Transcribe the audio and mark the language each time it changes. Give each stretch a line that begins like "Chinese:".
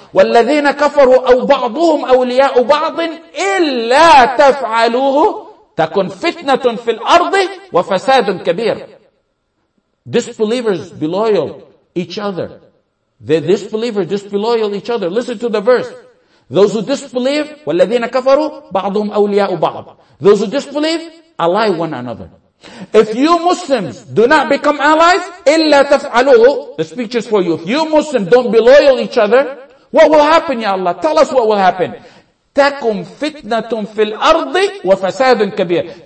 Arabic: وَالَّذِينَ كَفَرُوا أَوْ بَعْضُهُمْ أَوْلِيَاءُ بَعْضٍ إِلَّا تَفْعَلُوهُ تَكُنْ فِتْنَةٌ فِي الْأَرْضِ وَفَسَادٌ كَبِيرٌ.
English: Disbelievers be loyal each other. The disbelievers just be loyal each other. Listen to the verse. Those who disbelieve,
Arabic: وَالَّذِينَ كَفَرُوا بَعْضُهُمْ أَوْلِيَاءُ بَعْضٍ.
English: Those who disbelieve, ally one another. If you Muslims do not become allies,
Arabic: إِلَّا تَفْعَلُوهُ.
English: The speech is for you. If you Muslims don't be loyal each other, what will happen, Ya Allah? Tell us what will happen.
Arabic: تَكُمْ فِتْنَةٌ فِي الْأَرْضِ وَفَسَادٌ كَبِيرٌ.